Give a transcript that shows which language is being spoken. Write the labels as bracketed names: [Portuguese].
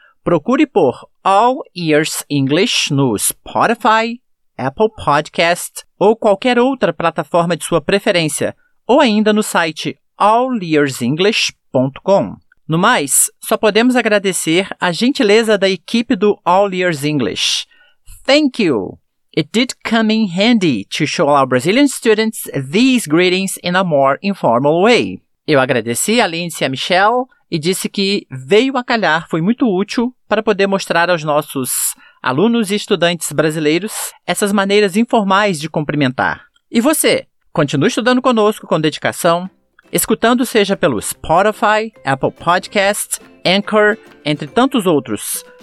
[Portuguese] Procure por All Ears English no Spotify, Apple Podcast ou qualquer outra plataforma de sua preferência, ou ainda no site allearsenglish.com. No mais, só podemos agradecer a gentileza da equipe do All Ears English. [English] Thank you! It did come in handy to show our Brazilian students these greetings in a more informal way. [Portuguese] Eu agradeci a Lindsay e a Michelle e disse que veio a calhar, foi muito útil para poder mostrar aos nossos alunos e estudantes brasileiros essas maneiras informais de cumprimentar. E você? Continue estudando conosco com dedicação, escutando seja pelo Spotify, Apple Podcast, Anchor, entre tantos outros.